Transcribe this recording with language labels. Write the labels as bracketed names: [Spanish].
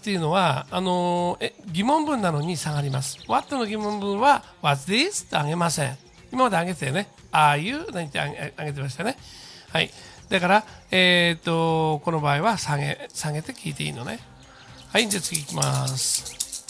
[Japanese] っていうのは、疑問文なのに下がります。 What の疑問文は、 [English] What's this? [Japanese] ってあげません。今まであげてたよね。 [English] Are you? [Japanese] なんてあげてましたね。はい。だから、この場合は下げて聞いていいのね。はい。じゃあ次いきます。